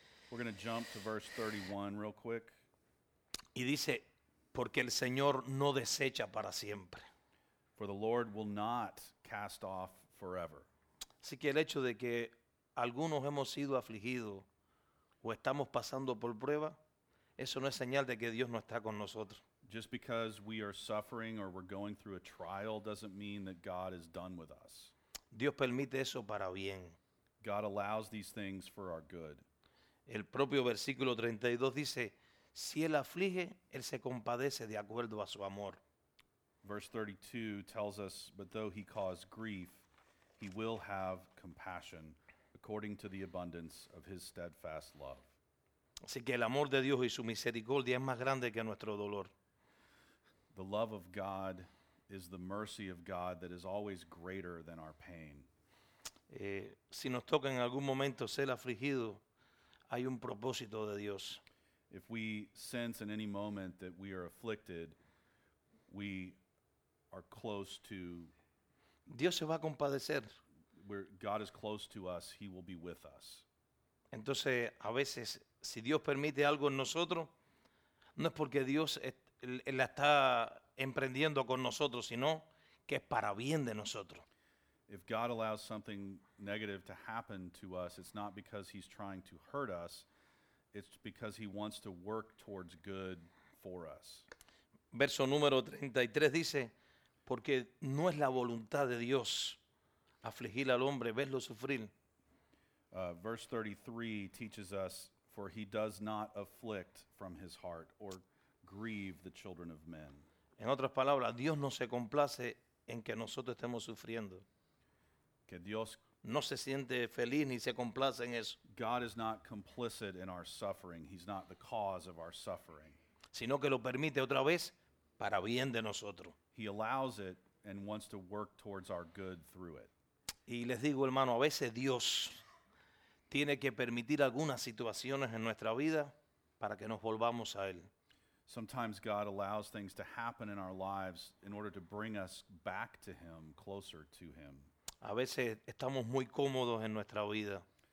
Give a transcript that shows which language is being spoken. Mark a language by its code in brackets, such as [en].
[en] We're going to jump to verse 31 real quick. [es] Y dice, porque el Señor no desecha para siempre. [en] For the Lord will not cast off forever. [es] Así que el hecho de que algunos hemos sido afligidos o estamos pasando por prueba, eso no es señal de que Dios no está con nosotros. [en] Just because we are suffering or we're going through a trial doesn't mean that God is done with us. [es] Dios permite eso para bien. [en] God allows these things for our good. [es] El propio versículo 32 dice, si él aflige, él se compadece de acuerdo a su amor. [en] Verse 32 tells us, but though he cause grief, he will have compassion according to the abundance of his steadfast love. [es] Así que el amor de Dios y su misericordia es más grande que nuestro dolor. [en] The love of God is the mercy of God that is always greater than our pain. [es] Si nos toca en algún momento ser afligido, hay un propósito de Dios. [en] If we sense in any moment that we are afflicted, we are close to [es] Dios se va a compadecer. [en] Where God is close to us, he will be with us. [es] Entonces, a veces, si Dios permite algo en nosotros, no es porque Dios la está emprendiendo con nosotros, sino que es para bien de nosotros. [en] If God allows something negative to happen to us, it's not because he's trying to hurt us, it's because he wants to work towards good for us. [es] Verso número 33 dice, porque no es la voluntad de Dios afligir al hombre, verlo sufrir. [en] Verse 33 teaches us, for he does not afflict from his heart or grieve the children of men. [es] En otras palabras, Dios no se complace en que nosotros estemos sufriendo. Que Dios no se siente feliz ni se complace en eso. [en] God is not complicit in our suffering. He's not the cause of our suffering. [es] Sino que lo permite otra vez para bien de nosotros. [en] He allows it and wants to work towards our good through it. [es] Y les digo, hermano, a veces Dios tiene que permitir algunas situaciones en nuestra vida para que nos volvamos a él. [en] Sometimes God allows things to happen in our lives in order to bring us back to him, closer to him. [es] A veces estamos muy cómodos en nuestra vida.